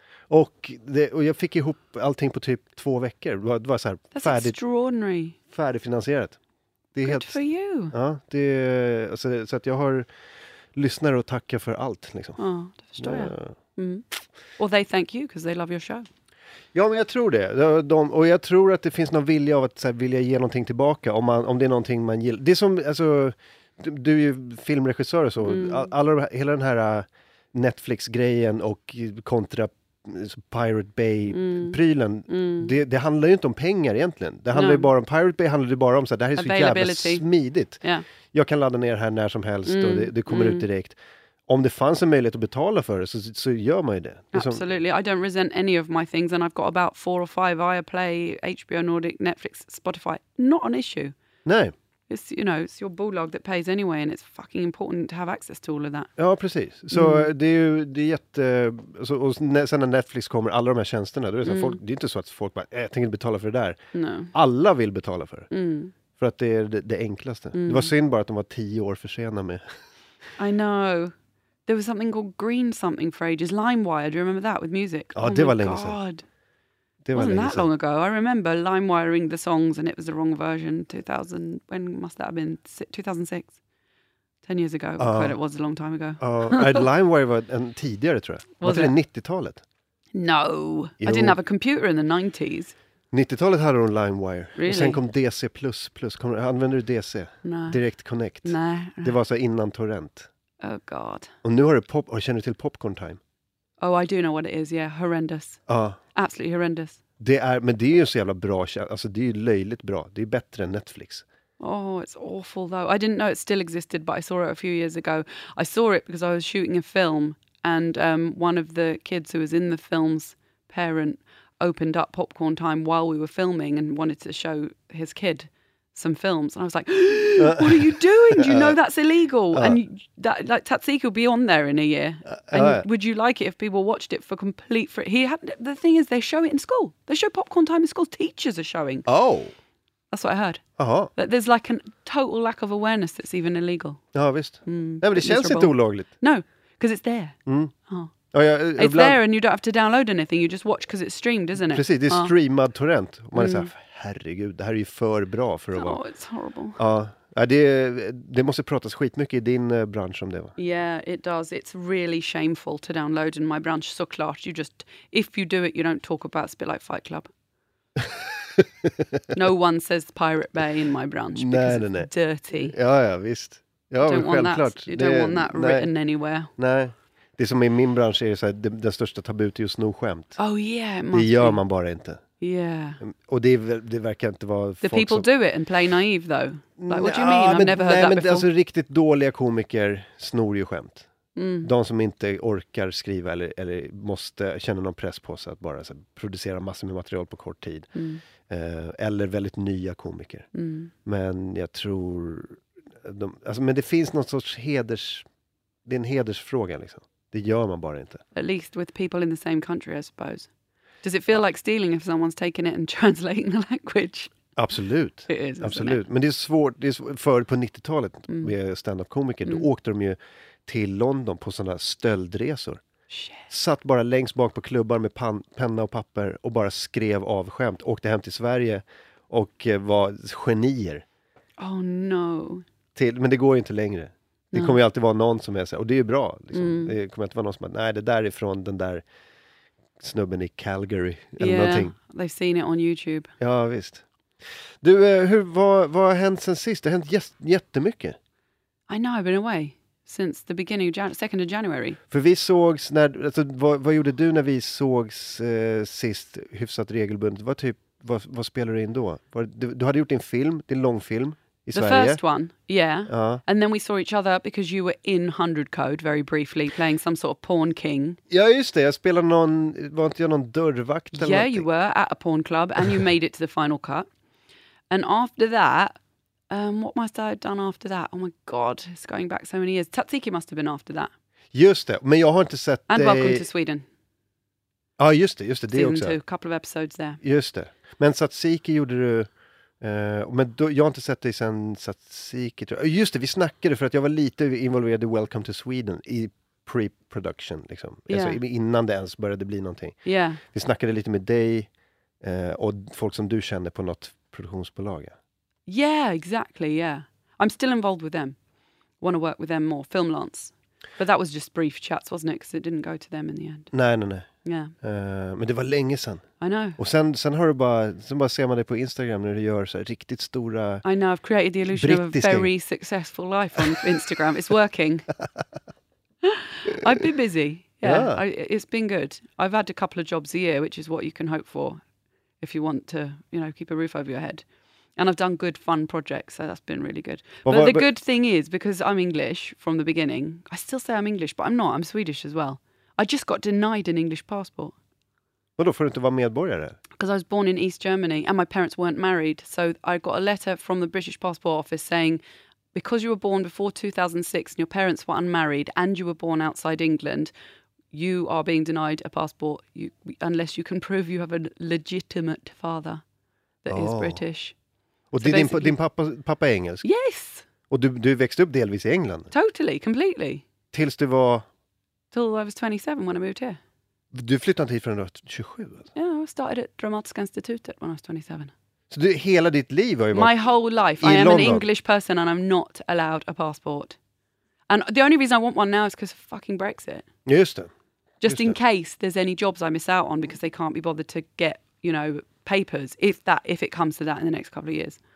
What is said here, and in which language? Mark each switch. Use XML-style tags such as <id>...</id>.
<sv>Och jag fick ihop allting på typ 2 veckor. Det var så här färdigfinanserat. Det är</sv> <en>good</en> <sv>helt,</sv> <en>for you.</en> <sv>Så att jag har lyssnare att tacka för allt liksom. Ja, det förstår jag. Mm.</sv> <en>Or they thank you because they love your show.</en> <sv>Ja, men jag tror det. Och jag tror att det finns någon vilja av att så här, vilja ge någonting tillbaka om det är någonting man gillar. Det som alltså du är ju filmregissör och så. Hela den här Netflix-grejen och kontra Pirate Bay-prylen. Det handlar ju inte om pengar egentligen. Det handlar ju bara om Pirate Bay, handlar ju bara om så här, det här är så jävla smidigt.</sv> <en>Yeah.</en> <sv>Jag kan ladda ner här när som helst och det kommer ut direkt. Om det fanns en möjlighet att betala för det så gör man ju det.</sv> <en>Absolutely, I don't resent any of my things and I've got about 4 or 5 Viaplay, HBO Nordic, Netflix, Spotify. Not an issue.</en> <sv>Nej.</sv> <en>It's, you know, it's your bolag that pays anyway and it's fucking important to have access to all of that.</en> <sv>Ja, precis. Så det är jätte... Och sen när Netflix kommer, alla de här tjänsterna, då är det, så folk, det är inte så att folk bara, jag tänker inte betala för det där.</sv> <en>No.</en> <sv>Alla vill betala för det. Mm. För att det är det enklaste. Mm. Det var synd bara att de var 10 år försenade med...</sv> <en>I know. There was something called Green Something for ages. LimeWire, do you remember that with music?</en> <sv>Ja, det var länge sedan.</sv> <en>Oh my god. Wasn't that long ago. I remember LimeWiring the songs and it was the wrong version. 2000, when must that have been? 2006. 10 years ago. But it was a long time ago.</en> <sv>LimeWire var en tidigare, tror jag. Var det 90-talet?</sv> <en>No.</en> <sv>Jo.</sv> <en>I didn't have a computer in the 90s.</en> <sv>90-talet hade hon LimeWire.</sv> <en>Really?</en> <sv>Och sen kom DC++. Använder du DC? Nej.</sv> <en>No. Direct Connect.</en> <sv>Nej. Det var så innan Torrent.</sv> <en>Oh god.</en> <sv>Och nu har du pop... Och känner du till Popcorn Time?</sv> <en>Oh, I do know what it is. Yeah, horrendous. Absolutely horrendous.</en> <sv>Det är ju så jävla bra. Alltså, det är ju löjligt bra. Det är bättre än Netflix.</sv> <en>Oh, it's awful though. I didn't know it still existed, but I saw it a few years ago. I saw it because I was shooting a film and one of the kids who was in the film's parent opened up Popcorn Time while we were filming and wanted to show his kid some films. And I was like, what are you doing? Do you know that's illegal? And that, like, Tatsiki will be on there in a year. Would you like it if people watched it for complete free? The thing is, they show it in school. They show Popcorn Time in school. Teachers are showing. Oh. That's what I heard. Uh-huh. That there's like a total lack of awareness that's even illegal.</en> <sv>Ja, visst. Mm, nej, men det känns inte olagligt.</sv> <en>No, because it's there. Mm. It's</en> <sv>ibland...</sv> <en>there and you don't have to download anything. You just watch because it's streamed, isn't it?</en> <sv>Precis, det är streamad torrent. Man är såhär, herregud, det här är ju för bra för att vara...</sv> <en>Oh, it's horrible.</en> <sv>Ja, det måste pratas skitmycket i din bransch om det, va?</sv> <en>Yeah, it does. It's really shameful to download in my branch,</en> <sv>såklart.</sv> <en>You just, if you do it, you don't talk about it. It's a bit like Fight Club. No one says Pirate Bay in my branch because</en> <sv>nej, nej, nej.</sv> <en>It's dirty.</en> <sv>Ja, visst. Ja,</sv> <en>you don't want that, written anywhere.</en> <sv>Nej. Det som i min bransch är så här, det största tabut är ju snoskämt.</sv> <en>Oh yeah,</en> <sv>det gör man bara inte.</sv> <en>Yeah.</en> <sv>Och det verkar inte vara</sv> <en>the people</en> <sv>som...</sv> <en>do it and play naive though. Like, what do you mean? I've never heard that before.</en> <sv>Alltså, riktigt dåliga komiker snor ju skämt. Mm. De som inte orkar skriva eller måste känna någon press på sig att bara så här, producera massor med material på kort tid. Mm. Eller väldigt nya komiker. Mm. Men jag tror... men det finns någon sorts heders... Det är en hedersfråga liksom. Det gör man bara inte.</sv> <en>At least with people in the same country, I suppose. Does it feel like stealing if someone's taking it and translating the language?</en> <sv>Absolut.</sv> <en>It is,</en> <sv>absolut.</sv> <en>Isn't it?</en> <sv>Men det är svårt. Det är svårt. För på 90-talet med stand-up-komiker, då åkte de ju till London på sådana här stöldresor.</sv> <en>Shit.</en> <sv>Satt bara längst bak på klubbar med penna och papper och bara skrev av skämt. Åkte hem till Sverige och var genier.</sv> <en>Oh no.</en> <sv>Men det går ju inte längre. Det kommer ju alltid vara någon som är så här, och det är ju bra. Liksom. Mm. Det kommer alltid vara någon som är, nej, det där är från den där snubben i Calgary eller någonting.</sv> <en>Yeah, they've seen it on YouTube.</en> <sv>Ja, visst. Du, vad har hänt sen sist? Det har hänt jättemycket.</sv> <en>I know, I've been away since the beginning of 2nd of January.</en> <sv>För vi sågs, vad gjorde du när vi sågs sist hyfsat regelbundet? Vad spelade du in då? Du hade gjort en film, din långfilm.</sv> <en>The first one, yeah. And then we saw each other because you were in 100 Code very briefly, playing some sort of porn king.</en> <sv>Ja, just det. Jag spelade någon, var inte jag någon dörrvakt eller någonting?</sv> <en>Yeah, you were at a porn club and you made it to the final cut. And after that, what must I have done after that? Oh my god, it's going back so many years. Tatsiki must have been after that.</en> <sv>Just det, men jag har inte sett...</sv> <en>And Welcome to Sweden.</en> <sv>Ja, just det</sv> <en>season</en> <sv>också.</sv> <en>Season 2, a couple of episodes there.</en> <sv>Just det. Men Tatsiki gjorde du... men då, jag har inte sett dig sen Satsiki, tror jag. Just det, vi snackade för att jag var lite involverad i Welcome to Sweden i pre-production liksom.</sv> <en>Yeah.</en> <sv>Alltså, innan det ens började bli någonting.</sv> <en>Yeah.</en> <sv>Vi snackade lite med dig och folk som du känner på något produktionsbolag.</sv> <en>Yeah, exactly, yeah. I'm still involved with them. Want to work with them more, Filmlance. But that was just brief chats, wasn't it? Because it didn't go to them in the end.</en> <sv>Nej.</sv> <en>Yeah.</en> <sv>Men det var länge sedan.</sv> <en>I know.</en> <sv>Och sen har du bara, sen bara ser man dig på Instagram när du gör så här riktigt stora.</sv> <en>I know, I've created the illusion of a very successful life on Instagram. It's working. I've been busy. Yeah. It's been good. I've had a couple of jobs a year, which is what you can hope for if you want to, you know, keep a roof over your head. And I've done good, fun projects, so that's been really good. But the good thing is, because I'm English from the beginning, I still say I'm English, but I'm not. I'm Swedish as well. I just got denied an English passport.</en> <sv>Vadå, får du inte vara medborgare?</sv> <en>Because I was born in East Germany and my parents weren't married. So I got a letter from the British passport office saying, because you were born before 2006 and your parents were unmarried and you were born outside England, you are being denied a passport unless you can prove you have a legitimate father that is British.</en> <sv>Och</sv> <en>so</en> <sv>din pappa är engelsk?</sv> <en>Yes!</en> <sv>Och du växte upp delvis i England?</sv> <en>Totally, completely.</en> <sv>Tills du var...</sv> <en>Till I was 27 when I moved here.</en> <sv>Du flyttade hit förrän du var 27? Ja,</sv> <en>yeah, I started at Dramatiska Institutet when I was 27.</en> <sv>Så du, hela ditt liv har ju varit...</sv> <en>My whole life. I am London. An English person and I'm not allowed a passport. And the only reason I want one now is because of fucking Brexit.</en> <sv>Just det.</sv> <en>Just in case there's any jobs I miss out on because they can't be bothered to get, you know, papers if it comes to that in the next couple of years.</en>